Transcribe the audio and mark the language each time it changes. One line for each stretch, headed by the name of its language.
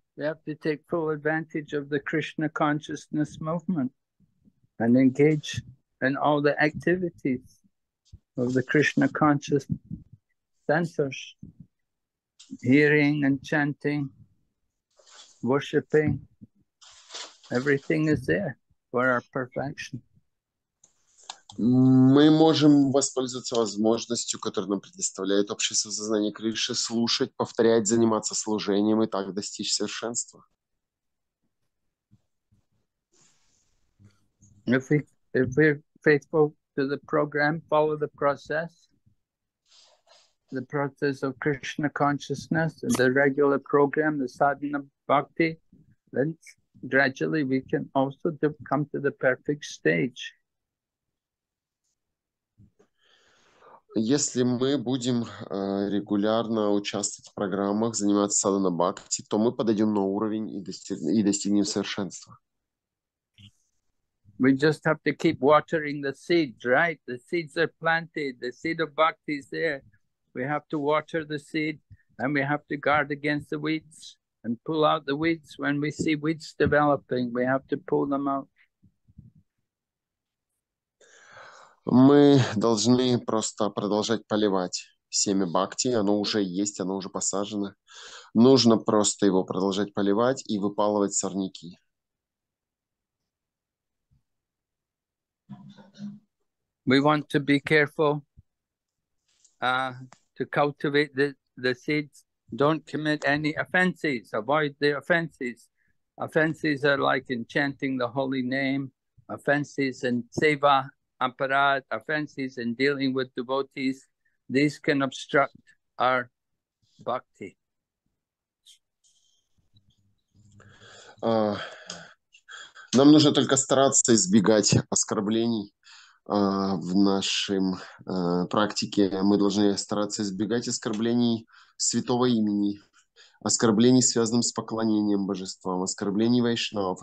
English: We have to take full advantage of the Krishna consciousness movement and engage in all the activities of the Krishna conscious centers, hearing and chanting, worshipping. Everything is there for our perfection.
Russian: Мы можем воспользоваться возможностью, которую нам предоставляет общество сознания Кришны, слушать, повторять, заниматься служением и так достичь совершенства.
English: If we're faithful to the program, follow the process of Krishna consciousness, and the regular program, the sadhana bhakti, then gradually we can also come to the perfect stage.
Russian: Если мы будем регулярно участвовать в программах, заниматься садхана-бхакти, то мы подойдем на уровень и достигнем совершенства.
English: We just have to keep watering the seeds, right? The seeds are planted, the seed of bhakti is there. We have to water the seed, and we have to guard against the weeds and pull out the weeds. When we see weeds developing, we have to pull them out.
Russian: Мы должны просто продолжать поливать семя бхакти, оно уже есть, оно уже посажено. Нужно просто его продолжать поливать и выпалывать сорняки.
English: We want to be careful to cultivate the seeds. Don't commit any offenses, avoid the offenses. Offenses are like in chanting the holy name, offenses in seva. Amparad, offenses in dealing with devotees, these can obstruct our bhakti.
Russian: Нам нужно только стараться избегать оскорблений в нашем практике. Мы должны стараться избегать оскорблений святого имени, оскорблений, связанных с поклонением божествам, оскорблений вайшнавов.